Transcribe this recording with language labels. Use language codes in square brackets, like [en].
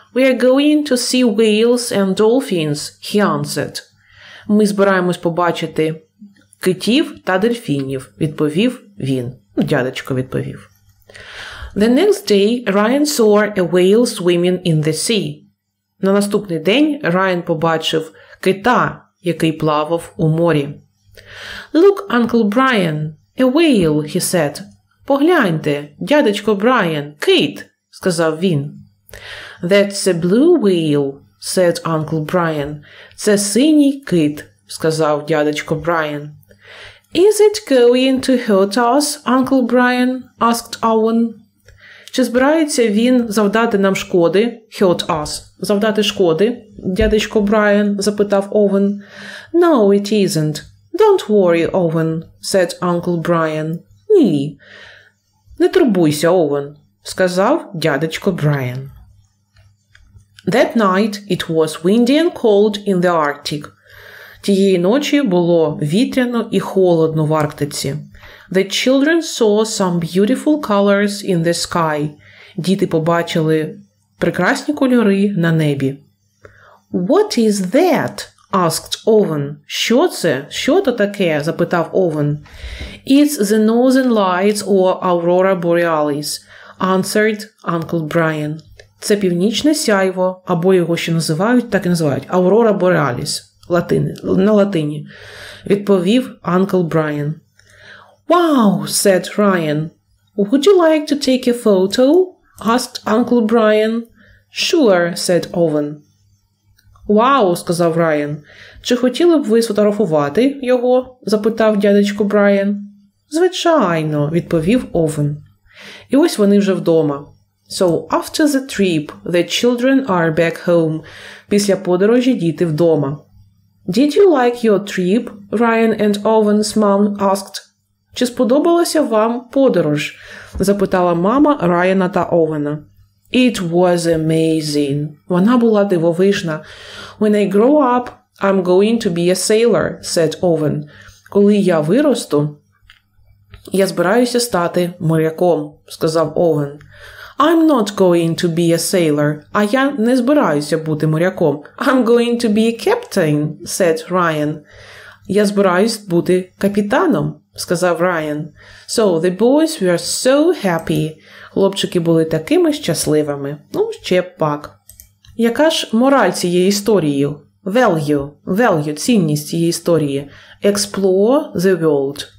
[en] We are going to see whales and dolphins, he answered. [uk] Ми збираємось побачити китів та дельфінів, відповів він. Дядечко відповів. [en] The next day Ryan saw a whale swimming in the sea. [uk] На наступний день Райан побачив кита, який плавав у морі. [en] «Look, Uncle Brian, a whale», he said. [uk] «Погляньте, дядечко Брайан, кит», сказав він. [en] «That's a blue whale», said Uncle Brian. [uk] «Це синій кит», сказав дядечко Брайан. [en] «Is it going to hurt us, Uncle Brian?» asked Owen. [uk] «Чи збирається він завдати нам шкоди?» [en] «Hurt us?» [uk] «Завдати шкоди?» дядечко Брайан запитав Owen. [en] «No, it isn't. Don't worry, Owen», said Uncle Brian. [uk] «Ні». «Не турбуйся, Owen», сказав дядечко Брайан. [en] That night it was windy and cold in the Arctic. [uk] Тієї ночі було вітряно і холодно в Арктиці. [en] The children saw some beautiful colors in the sky. [uk] Діти побачили прекрасні кольори на небі. [en] What is that? Asked Owen. [uk] Що це? Що то таке? Запитав Owen. [en] It's the northern lights or aurora borealis, answered Uncle Brian. [uk] Це північне сяйво, або його ще називають, так і називають, aurora borealis, на латині, відповів Uncle Brian. [en] Wow, said Ryan. Would you like to take a photo? Asked Uncle Brian. Sure, said Owen. [uk] Вау, сказав Райан. Чи хотіли б ви сфотографувати його? Запитав дядечко Брайан. Звичайно, відповів Овен. І ось вони вже вдома. [en] So after the trip, the children are back home. [uk] Після подорожі діти вдома. [en] Did you like your trip? Ryan and Owen's mom asked. [uk] Чи сподобалася вам подорож? Запитала мама Райана та Овена. [en] It was amazing. [uk] Вона була дивовижна. [en] When I grow up, I'm going to be a sailor, said Owen. [uk] Коли я виросту, я збираюся стати моряком, сказав Owen. [en] I'm not going to be a sailor. [uk] А я не збираюся бути моряком. [en] I'm going to be a captain, said Ryan. [uk] Я збираюсь бути капітаном, сказав Ryan. [en] So the boys were so happy. [uk] Хлопчики були такими щасливими. Ну, ще пак. Яка ж мораль цієї історії? [en] Value. Value – [uk] цінність цієї історії. [en] Explore the world.